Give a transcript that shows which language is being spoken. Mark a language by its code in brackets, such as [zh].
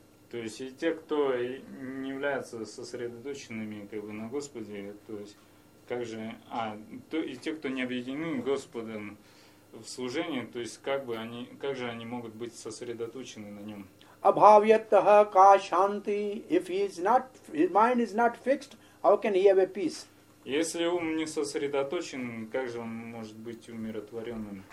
[ru] То есть и те, кто не являются сосредоточенными как бы на Господе, то есть как же, и те, кто не объединены Господом в служении, то есть как же они могут быть сосредоточены на Нем? [sa] Abhavyatah ka shanti. [en] If he is not, his mind is not fixed, how can he have a peace? [ru] Если ум не сосредоточен, как же он может быть умиротворенным?